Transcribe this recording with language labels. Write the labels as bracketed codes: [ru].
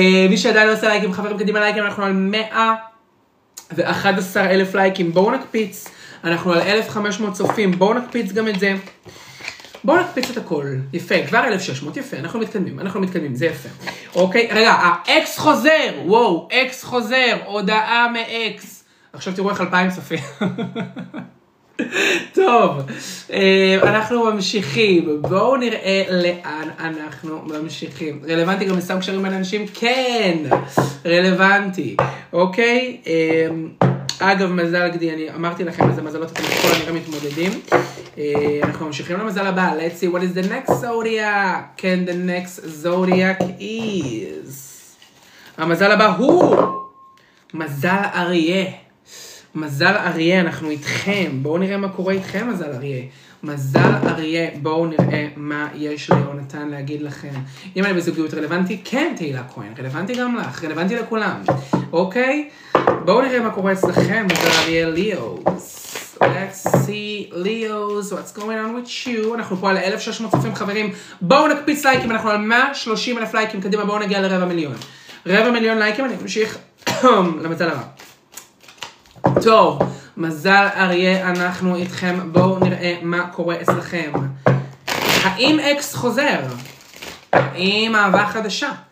[he] מי שעדיין לא עושה לייקים, חברים, קדימה, לייקים, אנחנו על 111,000 לייקים, בואו נקפיץ, אנחנו על 1,500 צופים, בואו נקפיץ גם את זה, בואו נקפיץ את הכל, יפה, כבר 1,600, יפה, אנחנו מתקדמים, זה יפה, אוקיי, רגע, האקס חוזר, וואו, אקס חוזר, הודעה מאקס, עכשיו תראו איך 2,000 צופים, טוב, אנחנו ממשיכים, בואו נראה לאן אנחנו ממשיכים. רלוונטי גם לסם קשרים בין אנשים? כן, רלוונטי, אוקיי? אגב, מזל גדי, אני אמרתי לכם איזה מזלות אתם כל הנראה מתמודדים. אנחנו ממשיכים למזל הבא, [en] let's see what is the next zodiac. Can the next zodiac is? [he] המזל הבא הוא מזל אריה. מזל אריה, אנחנו איתכם. בואו נראה מה קורה איתכם, מזל אריה. מזל אריה, בואו נראה מה יש ליונתן להגיד לכם. אם אני בזוגיות רלוונטי, כן, תהילה כהן. רלוונטי גם לך, רלוונטי לכולם. אוקיי? בואו נראה מה קורה אצלכם, מזל אריה, ליאוס. [en] Let's see, ליאוס, what's going on with you? [he] אנחנו פה על 1,600 צופים, חברים. בואו נקפיץ לייקים, אנחנו על 130,000 לייקים. קדימה, בואו נגיע לרבע מיליון. רבע מיליון לייקים, אני אמשיך למזל הבא. טוב, מזל אריה, אנחנו איתכם, בואו נראה מה קורה אצלכם. האם אקס חוזר? האם אהבה חדשה?